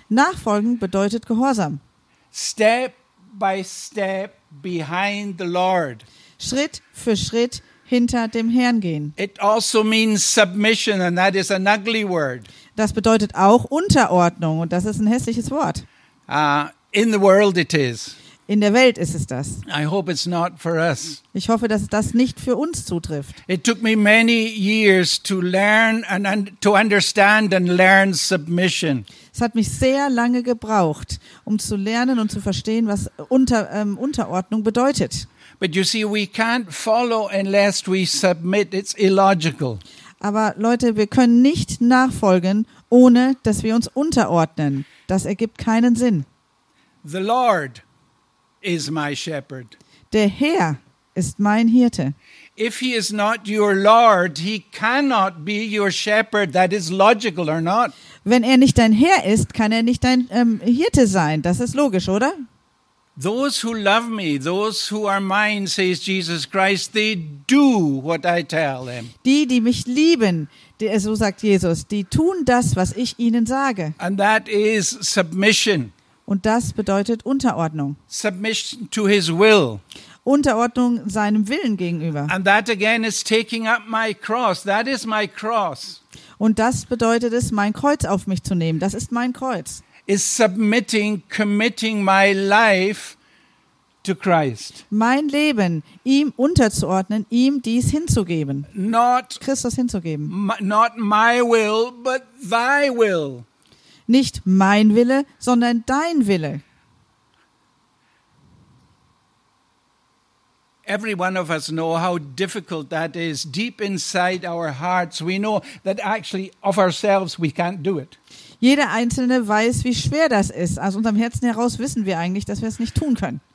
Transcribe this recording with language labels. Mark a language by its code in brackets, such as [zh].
[de] Nachfolgen bedeutet Gehorsam. [en] Step by step behind the Lord. [de] Schritt für Schritt hinter dem Herrn gehen. [en] It also means submission, and that is an ugly word. [de] Das bedeutet auch Unterordnung, und das ist ein hässliches Wort. [en] In the world it is. [de] In der Welt ist es das. [en] I hope it's not for us. [de] Ich hoffe, dass das nicht für uns zutrifft. [en] It took me many years to learn and to understand and learn submission. [de] Es hat mich sehr lange gebraucht, um zu lernen und zu verstehen, was Unterordnung bedeutet. [en] But you see, we can't follow unless we submit. It's illogical. [de] Aber Leute, wir können nicht nachfolgen, ohne dass wir uns unterordnen. Das ergibt keinen Sinn. [en] The Lord is my shepherd. [de] Der Herr ist mein Hirte. [en] If he is not your Lord, he cannot be your shepherd. That is logical or not? [de] Wenn er nicht dein Herr ist, kann er nicht dein Hirte sein. Das ist logisch, oder? [en] Those who love me, those who are mine, says Jesus Christ, they do what I tell them. [de] Die, die mich lieben, die, so sagt Jesus, die tun das, was ich ihnen sage. [en] And that is submission. [de] Und das bedeutet Unterordnung. [en] Submission to his will. [de] Unterordnung seinem Willen gegenüber. [en] And that again is taking up my cross. That is my cross. [de] Und das bedeutet es, mein Kreuz auf mich zu nehmen. Das ist mein Kreuz. [en] Is submitting, committing my life to Christ. [de] Mein Leben ihm unterzuordnen, ihm dies hinzugeben. [en] Not [de] Christus hinzugeben. [en] Not my will, but thy will. [de] Nicht mein Wille, sondern dein Wille. [en] Every one of us know how difficult that is. Deep inside our hearts, we know that actually of ourselves we can't do it. [de] Jeder Einzelne weiß, wie schwer das ist. Aus unserem Herzen heraus wissen wir eigentlich, dass wir es nicht tun können.